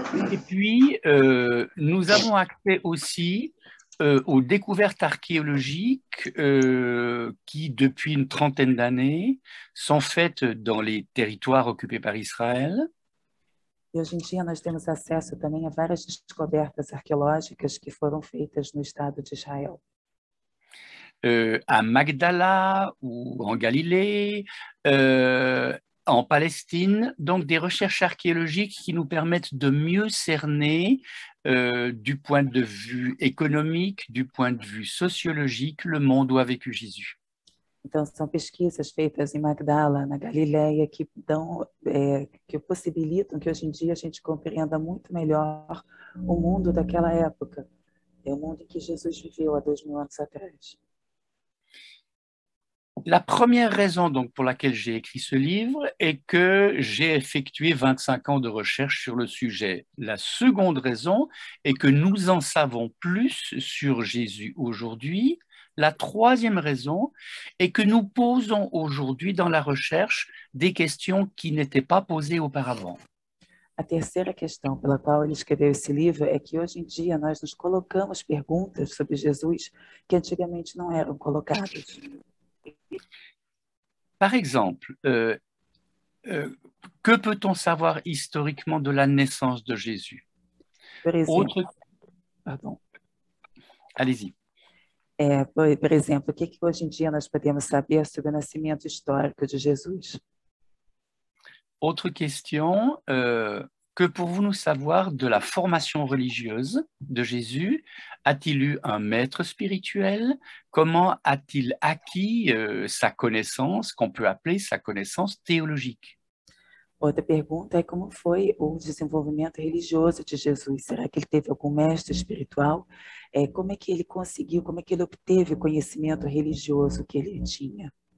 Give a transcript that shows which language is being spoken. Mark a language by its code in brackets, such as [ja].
[fr] Et puis, nous avons accès aussi aux découvertes archéologiques qui, depuis une trentaine d'années, sont faites dans les territoires occupés par Israël. [pt] E hoje em dia nós temos acesso também a várias descobertas arqueológicas que foram feitas no estado de Israel. [fr] À Magdala ou en Galilée, en Palestine, donc des recherches archéologiques qui nous permettent de mieux cerner du point de vue économique, du point de vue sociologique, le monde où a vécu Jésus. [pt] Então, são pesquisas feitas em Magdala, na Galileia, que dão, que possibilitam que hoje em dia a gente compreenda muito melhor o mundo daquela época. É o mundo que Jesus viveu há 2000 anos atrás. [fr] La première raison donc pour laquelle j'ai écrit ce livre est que j'ai effectué 25 ans de recherche sur le sujet. La seconde raison est que nous en savons plus sur Jésus aujourd'hui. La troisième raison est que nous posons aujourd'hui dans la recherche des questions qui n'étaient pas posées auparavant. [pt] A terceira questão pela qual ele escreveu esse livro é que hoje em dia nós nos colocamos perguntas sobre Jesus que antigamente não eram colocadas. [fr] Par exemple, que peut-on savoir historiquement de la naissance de Jésus? Autre... Pardon. Allez-y. Par exemple, [pt] o que que hoje em dia nós podemos saber sobre o nascimento histórico de Jesus? [fr] Autre question, que pouvons-nous savoir de la formation religieuse de Jésus? A-t-il eu un maître spirituel? Comment a-t-il acquis sa connaissance, qu'on peut appeler sa connaissance théologique? [pt] Outra pergunta é como foi o desenvolvimento religioso de Jesus? Será que ele teve algum mestre espiritual? Como é que ele conseguiu, como é que ele obteve o conhecimento religioso que ele tinha?